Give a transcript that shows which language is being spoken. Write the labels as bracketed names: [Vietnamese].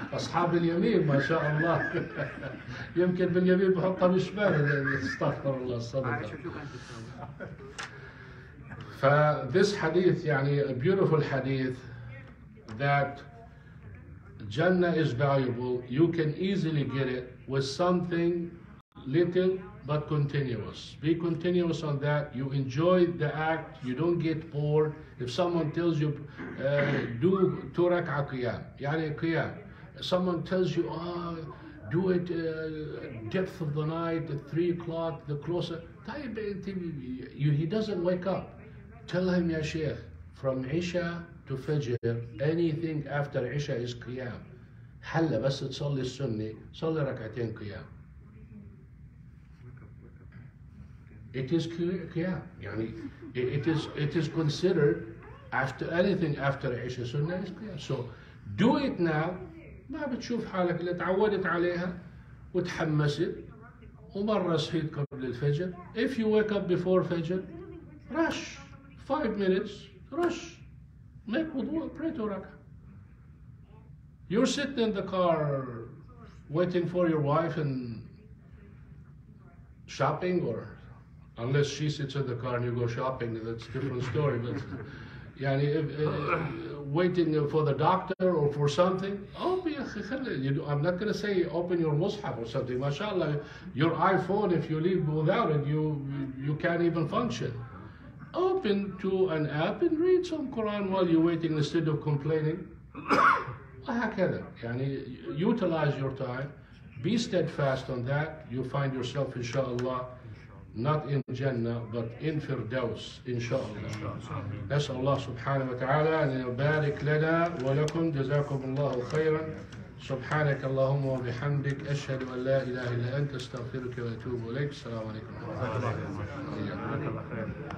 [Arabic] أصحاب اليمين ما شاء الله. يمكن باليمين بحطها بالشمال. استغفر الله الصدق. [English] ف this حديث يعني a beautiful حديث that جنة is valuable. You can easily get it with something little but continuous. Be continuous on that. You enjoy the act. You don't get bored. If someone tells you, do 2 rak'a qiyam, yani qiyam. Someone tells you, do it depth of the night, at 3 o'clock, the closer. [Arabic] طيب انت, [English] he doesn't wake up. Tell him, ya Sheikh, from Isha to Fajr, anything after Isha is qiyam. [Arabic] Halla bas tsalli sunni, salli rak'atayn qiyam. [English] it is qiyam. Yani it is considered after anything after [Arabic] عشاء سنة [English] is qiyam. So do it now. [Arabic] ما بتشوف حالك اللي تعودت عليها وتحمست ومرة صحيت قبل الفجر. [English] If you wake up before فجر, rush 5 minutes, rush, make wudu, pray to rak'a. You're sitting in the car waiting for your wife and shopping, or unless she sits in the car and you go shopping, that's a different story. But يعني waiting for the doctor or for something. I'm not going to say open your mushaf or something. MashaAllah, your iPhone, if you leave without it, you can't even function. Open to an app and read some Quran while you're waiting instead of complaining. [Arabic] وهكذا. [English] يعني utilize your time. Be steadfast on that. You find yourself, inshallah, not in Jannah, but in Firdaus, inshallah. [Arabic] نسأل الله سبحانه وتعالى أن يبارك لنا ولكم. جزاكم الله خيرا. سبحانك اللهم وبحمدك. أشهد أن لا إله إلا أنت. أستغفرك وأتوب إليك. السلام عليكم ورحمة الله وبركاته.